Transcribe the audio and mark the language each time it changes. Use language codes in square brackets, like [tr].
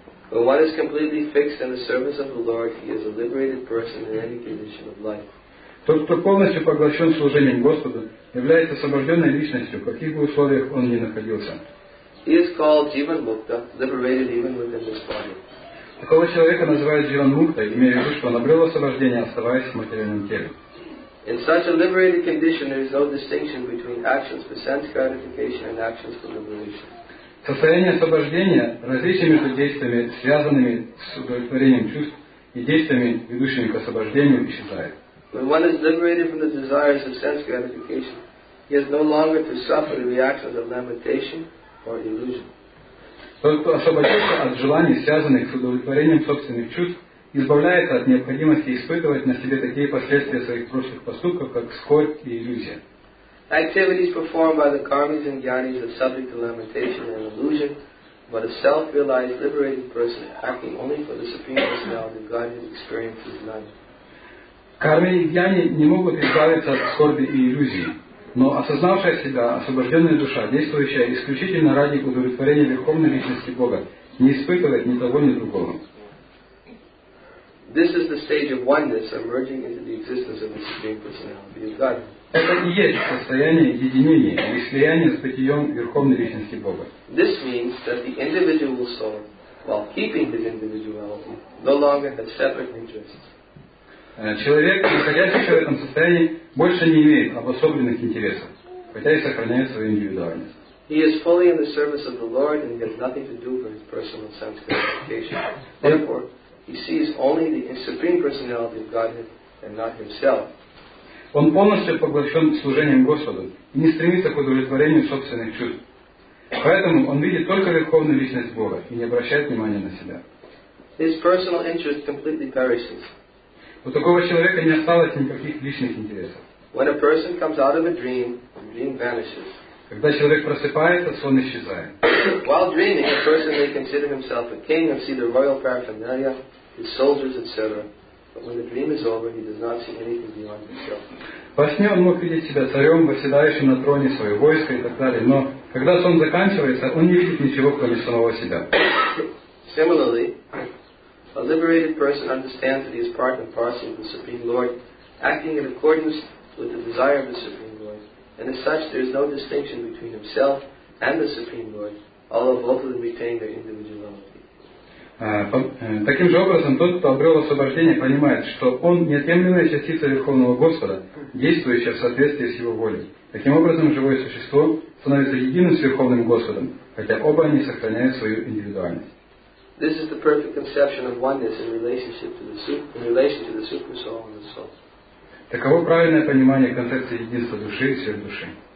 [en] When one is completely fixed in the service of the Lord, he is a liberated person in any condition of life. [ru] Тот, кто полностью поглощен служением Господу, является освобожденной личностью, в каких бы условиях он ни находился. [en] He is called Jivan Mukta, liberated even within this body. [ru] Такого человека называют Jivan Mukta, имея в виду, что он обрел освобождение, оставаясь в материальном теле. [en] In such a liberated condition, there is no distinction between actions for sense gratification and actions for liberation. [ru] В состоянии освобождения различия между действиями, связанными с удовлетворением чувств, и действиями, ведущими к освобождению, исчезает. [en] When one is liberated from the desires of sense gratification, he is no longer to suffer the reactions of lamentation or illusion. [ru] Тот, кто освободился от желаний, связанных с удовлетворением собственных чувств, избавляется от необходимости испытывать на себе такие последствия своих прошлых поступков, как скорбь и иллюзия. [en] activities performed by the karmis and jnanis are subject to lamentation and illusion, but a self-realized, liberated person acting only for the Supreme Personality of Godhead experiences none. [ru] Карми и джняни не могут избавиться от скорби и иллюзий, но осознавшая себя освобожденная душа, действующая исключительно ради удовлетворения Верховной Личности Бога, не испытывает ни того, ни другого. [en] This is the stage of oneness emerging into the existence of the Supreme Personality of God. [ru] Это и есть состояние единения и слияния с бытием Верховной Личности Бога. [en] This means that the individual soul, while keeping his individuality, no longer has separate interests. [ru] Человек, находящийся в этом состоянии, больше не имеет обособленных интересов, хотя и сохраняет свою индивидуальность. [en] He is fully in the service of the Lord and has nothing to do for his personal sense gratification. Therefore, he sees only the Supreme Personality of Godhead and not himself. [ru] Он полностью поглощен служением Господу и не стремится к удовлетворению собственных чувств. Поэтому он видит только Верховную Личность Бога и не обращает внимания на себя. [en] His personal interest completely perishes. [ru] У такого человека не осталось никаких личных интересов. [en] When a person comes out of a dream, the dream vanishes. [ru] Когда человек просыпается, сон исчезает. [en] While dreaming, a person may consider himself a king and see the royal paraphernalia, his soldiers, etc. But when the dream is over, he does not see anything beyond himself. [ru] Во сне он мог видеть себя царем, восседающим на троне свое войско и так далее, но когда сон заканчивается, он не видит ничего, кроме самого себя. [en] Similarly, a liberated person understands that he is part and parcel of the Supreme Lord, acting in accordance with the desire of the Supreme Lord, and as such there is no distinction between himself and the Supreme Lord, although both of them retain their individuality. [ru] Таким же образом, тот, кто обрел освобождение, понимает, что он неотъемлемая частица Верховного Господа, действующая в соответствии с его волей. Таким образом, живое существо становится единым с Верховным Господом, хотя оба они сохраняют свою индивидуальность. [en] This is the perfect conception of oneness in relationship to the supersoul and the soul. [ru] Таково правильное понимание концепции единства души и сверхдуши.